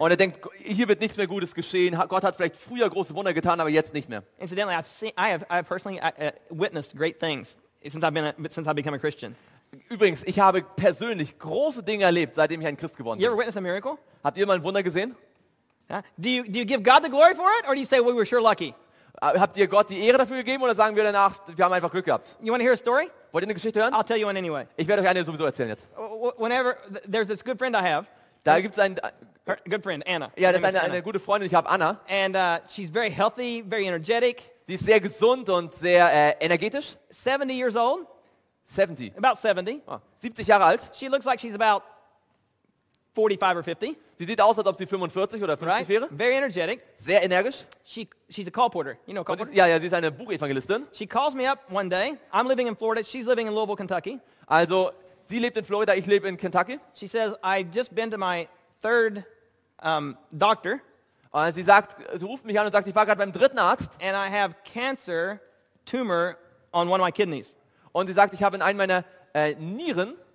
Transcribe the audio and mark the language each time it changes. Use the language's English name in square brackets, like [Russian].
[German] Und er denkt, hier wird nichts mehr Gutes geschehen. Gott hat vielleicht früher große Wunder getan, aber jetzt nicht mehr. [English] Incidentally, I've personally witnessed great things since I've become a Christian. [German] Übrigens, ich habe persönlich große Dinge erlebt, seitdem ich ein Christ geworden bin. [English] You ever witnessed a miracle? [German] Habt ihr mal ein Wunder gesehen? [English] Do you give God the glory for it, or do you say, well, we were sure lucky? [German] Habt ihr Gott die Ehre dafür gegeben, oder sagen wir danach, wir haben einfach Glück gehabt? [English] You want to hear a story? [German] Wollt ihr eine Geschichte hören? [English] I'll tell you one anyway. [German] Ich werde euch eine sowieso erzählen jetzt. [English] Whenever, there's this good friend I have. [German] Da gibt's einen... [English] Good friend, Anna. [German] Ja, das ist eine gute Freundin, ich habe Anna. [English] And she's very healthy, very energetic. [German] Sie ist sehr gesund und sehr energetisch. [English] 70 years old. 70. About 70. [German] Oh, 70 Jahre alt. [English] She looks like she's about 45 or 50. [German] Sie sieht aus, als ob sie 45 oder 50 wäre. [English] Very energetic. [German] Sehr energisch. [English] She's a call porter. You know, call porter? [German] Ja, sie ist eine Buchevangelistin. [English] She calls me up one day. I'm living in Florida. She's living in Louisville, Kentucky. [German] Also, sie lebt in Florida, ich lebe in Kentucky. [English] She says, I've just been to my third doctor. [German] Und sie ruft mich an und sagt, ich war gerade beim dritten Arzt. [English] And I have cancer tumor on one of my kidneys. [German] Und sie sagt, ich habe in einem meiner Nieren